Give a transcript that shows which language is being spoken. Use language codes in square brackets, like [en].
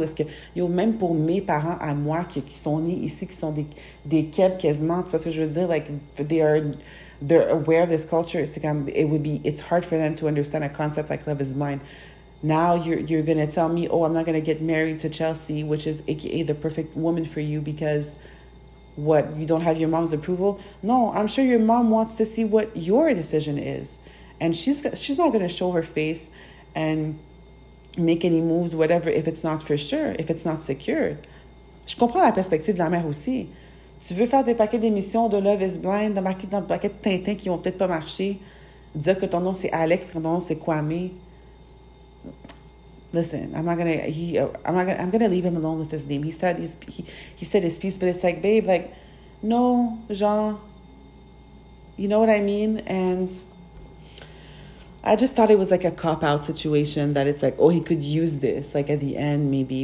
[fr] Parce que, yo, même pour mes parents à moi qui sont nés ici, qui sont des Québécois quasiment, tu vois ce que je veux dire? [en] Like, they're aware of this culture. It's like, it's hard for them to understand a concept like love is blind. Now you're going to tell me, oh, I'm not going to get married to Chelsea, which is AKA the perfect woman for you, because what, you don't have your mom's approval? No, I'm sure your mom wants to see what your decision is. And she's not going to show her face and make any moves, whatever, if it's not for sure, if it's not secured. [fr] Je comprends la perspective de la mère aussi. Tu veux faire des paquets d'émissions de Love is Blind, dans des paquets de Tintin qui vont peut-être pas marcher, dire que ton nom c'est Alex, que ton nom c'est Kwame. [en] Listen, I'm gonna leave him alone with his name. He said his piece, but it's like, babe, like, no, Jean. You know what I mean? And I just thought it was like a cop-out situation, that it's like, oh, he could use this, like, at the end, maybe.